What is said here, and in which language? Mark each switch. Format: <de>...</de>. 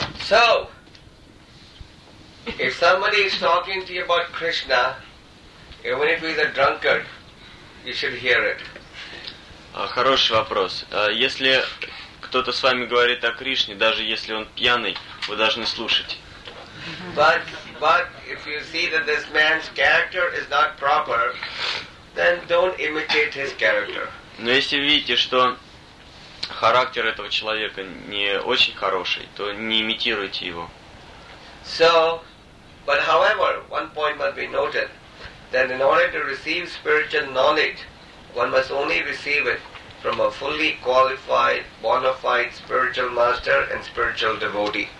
<en>So, if somebody is talking to you about Krishna, even if he's a drunkard, you should hear it.</en> <ru>Хороший вопрос. Если кто-то с вами говорит о Кришне, даже если он пьяный, вы должны слушать.</ru> <en>But if you see that this man's character is not proper, then don't imitate his character.</en> <ru>Но если видите, что характер этого человека не очень хороший, то не имитируйте его.</ru> <en>So, but however, one point must be noted, that in order to receive spiritual knowledge, one must only receive it from a fully qualified, bona fide spiritual master and spiritual devotee.</en>